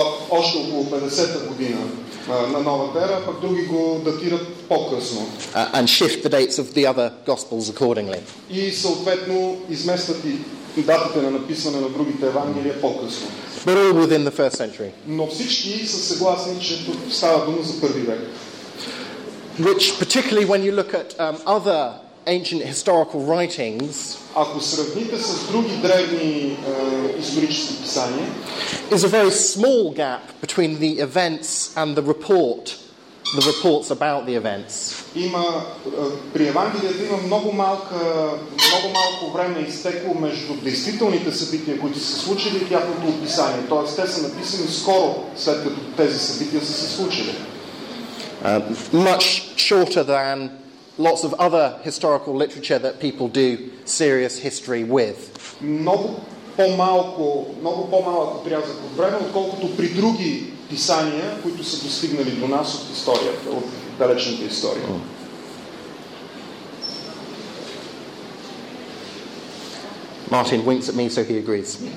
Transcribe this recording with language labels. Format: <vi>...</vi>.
<bg>Още около 50-та година на новата ера, пък други го датират по-късно.</bg> <en>And shift the dates of the other gospels accordingly.</en> <bg>И съответно изместват и датите на написване на другите евангелия по-късно.</bg> <en>But all within the first century.</en> <bg>Но всички са съгласни, че тук става дума за първи век.</bg> <en>Which particularly when you look at other ancient historical writings,</en> <bg>ако сравните с други древни исторически писания,</bg> <en>is a very small gap between the events and the report, the reports about the events.</en> <bg>Има при Евангелията има много малко време изтекло между действителните събития, които са случили, и тяхното описание. Тоест, те са написани скоро, след като тези събития са се случили.</bg> <en>Much shorter than lots of other historical literature that people do serious history with.</en> <bg>Много по-малък отрязък от време, отколкото при други писания, които са достигнали до нас от историята, от далечната история.</bg> <en>Martin winks at me, so he agrees.</en>